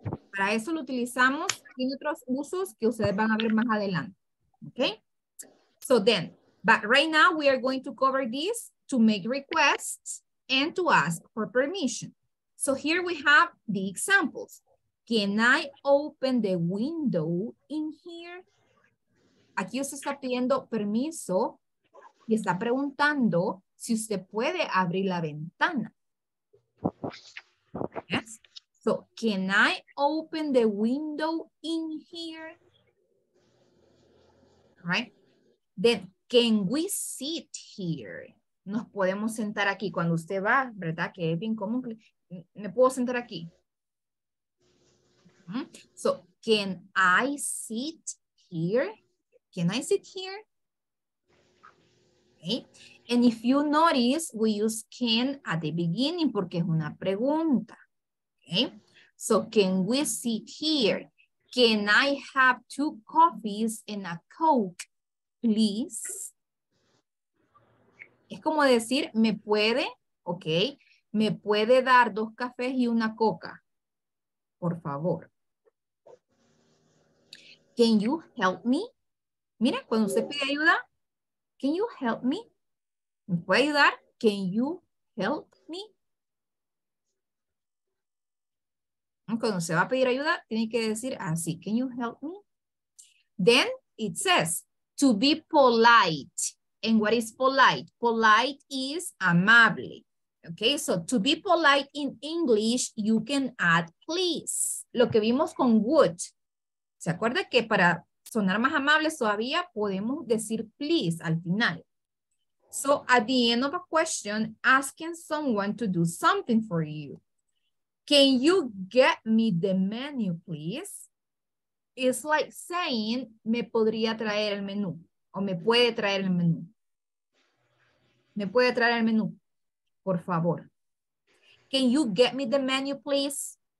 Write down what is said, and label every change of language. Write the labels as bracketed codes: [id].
[es] Para eso lo utilizamos en otros usos que ustedes van a ver más adelante, ¿ok? [en] So then, but right now we are going to cover this to make requests and to ask for permission. So here we have the examples. Can I open the window in here? [es] Aquí usted está pidiendo permiso y está preguntando si usted puede abrir la ventana. [en] Yes. So, can I open the window in here? Right. Then, can we sit here? [es] Nos podemos sentar aquí cuando usted va, ¿verdad? Que es bien común. ¿Me puedo sentar aquí? [en] So, can I sit here? Can I sit here? Okay. And if you notice, we use can at the beginning [es] porque es una pregunta. [en] Okay. So can we sit here? Can I have two coffees and a Coke, please? [es] Es como decir, ¿me puede? Ok. ¿Me puede dar dos cafés y una coca? Por favor. [en] Can you help me? [es] Mira, cuando usted pide ayuda, [en] can you help me? [es] ¿Me puede ayudar? [en] Can you help me? [es] Cuando se va a pedir ayuda, tiene que decir así, [en] can you help me? Then it says, to be polite. And what is polite? Polite is amable. Okay, so to be polite in English, you can add please. [es] Lo que vimos con would. ¿Se acuerda que para sonar más amable todavía, podemos decir please al final? [en] So at the end of a question, asking someone to do something for you. Can you get me the menu, please? It's like saying, [es] me podría traer el menú. O me puede traer el menú. Me puede traer el menú, por favor. [en] Can you get me the menu, please?